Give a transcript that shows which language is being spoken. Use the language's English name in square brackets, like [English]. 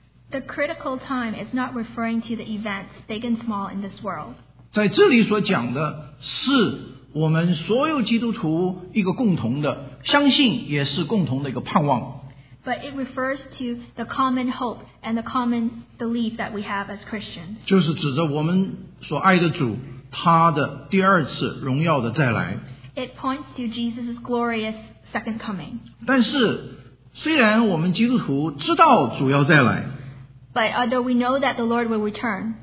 [English] The critical time is not referring to the events big and small in this world [Chinese] 在这里所讲的是我们所有基督徒一个共同的相信也是共同的一个盼望 [English] But it refers to the common hope and the common belief that we have as Christians. [Chinese] 就是指着我们所爱的主，他的第二次荣耀的再来。 [English] It points to Jesus' glorious second coming. [Chinese] 但是，虽然我们基督徒知道主要再来。 [English] But although we know that the Lord will return.